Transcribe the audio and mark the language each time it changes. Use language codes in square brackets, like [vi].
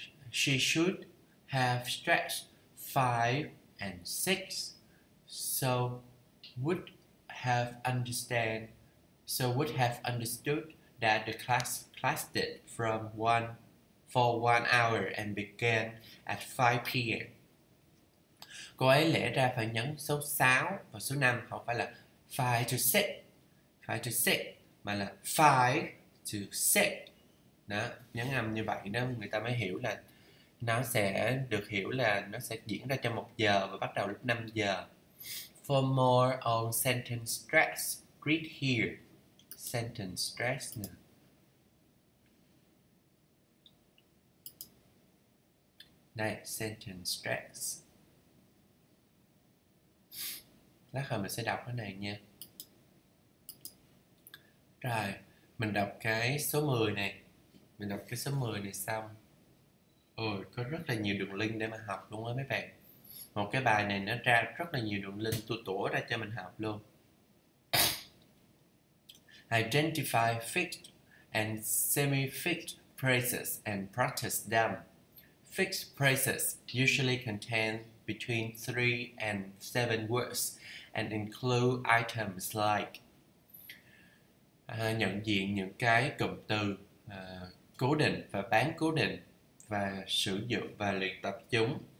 [en] She should have stressed 5 and 6, so would have understood that the class did from 1 hour and began at 5 p.m. [vi] Cô ấy lẽ ra phải nhấn số 6 và số 5, không phải là 5 to 6, mà là 5 to 6. Đó, nhấn âm như vậy đó, người ta mới hiểu là nó sẽ được hiểu là nó sẽ diễn ra trong 1 giờ và bắt đầu lúc 5 giờ. [en] For more on sentence stress, read here. [vi] sentence stress nữa. Đây, sentence stress. Lát hồi mình sẽ đọc cái này nha. Rồi, mình đọc cái số 10 này. Mình đọc cái số 10 này xong. Ôi, có rất là nhiều đường link để mà học luôn á mấy bạn. Một cái bài này nó ra rất là nhiều đường link tua tủa ra cho mình học luôn. [en] Identify fixed and semi-fixed phrases and practice them. Fixed phrases usually contain between 3 and 7 words and include items like [vi] nhận diện những cái cụm từ cố định và bán cố định và sử dụng và luyện tập chúng.